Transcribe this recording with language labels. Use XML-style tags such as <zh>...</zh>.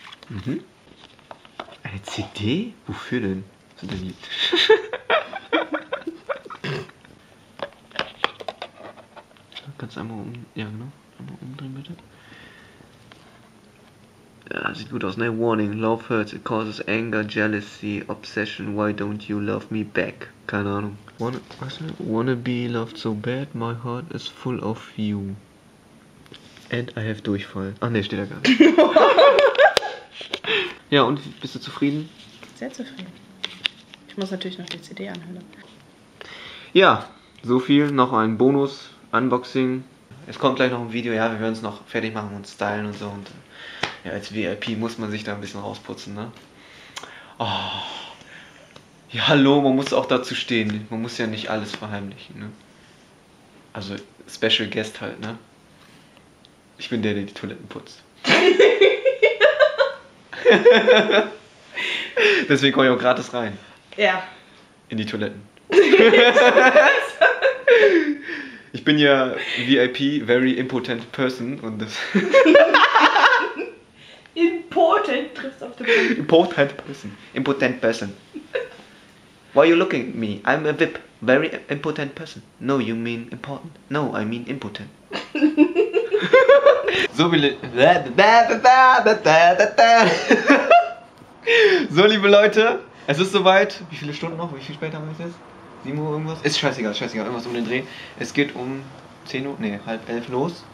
<de>Mhm. Eine CD? Wofür denn? Sind denn die? Kannst du einmal um. Ja, genau. Einmal umdrehen, bitte. Ja, sieht gut aus.</de> <en>No warning. Love hurts. It causes anger, jealousy, obsession. Why don't you love me back?</en> <de>Keine Ahnung.</de> <en>Wanna be loved so bad, my heart is full of you. And I have Durchfall.</en> <de>Ach ne, steht da gar nicht. Ja, und bist du zufrieden? Sehr zufrieden. Ich muss natürlich noch die CD anhören. Ja, so viel. Noch ein Bonus-Unboxing. Es kommt gleich noch ein Video. Ja, wir werden es noch fertig machen und stylen und so. Und ja, als VIP muss man sich da ein bisschen rausputzen, ne? Oh. Ja, hallo, man muss auch dazu stehen. Man muss ja nicht alles verheimlichen, ne? Also, Special Guest halt, ne? Ich bin der, der die Toiletten putzt. Deswegen komme ich auch gratis rein. Ja. In die Toiletten. Ich bin ja VIP,</de> <en>very important person,</en> <de>und das... Important trifft auf den Punkt.</de> <en>Important person. Impotent person. Why are you looking at me? I'm a VIP, very important person. No, you mean important. No, I mean impotent.</en> <de>So, so, liebe Leute, es ist soweit. Wie viele Stunden noch? Wie viel später haben wir jetzt? 7 Uhr irgendwas? Ist scheißegal, scheißegal. Irgendwas um den Dreh. Es geht um 10 Uhr, nee, halb 11 los.</de>